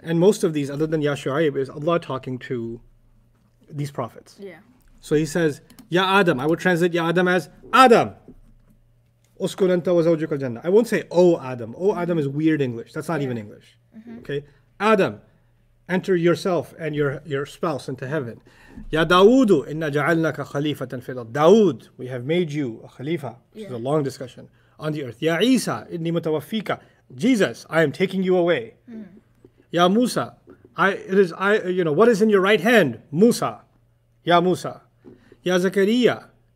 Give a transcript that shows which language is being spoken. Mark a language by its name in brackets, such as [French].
[English] And most of these, other than ya Shu'aib, is Allah talking to these prophets. Yeah. So he says, ya Adam. I would translate ya Adam as Adam. [Arabic] اسكن انت وزوجك الجنة. [English] I won't say oh Adam. Oh Adam is weird English. That's not even English. Okay. Adam, enter yourself and your spouse into heaven. [Arabic] يا داود إن جعلناك خليفة في الأرض. [English] داود, we have made you a خليفة. This is a long discussion on the earth. [Arabic] يا عيسى إني متوفيك. [English] Jesus, I am taking you away. يا موسى, what is in your right hand? [Arabic] موسى. يا موسى. يا زكريا.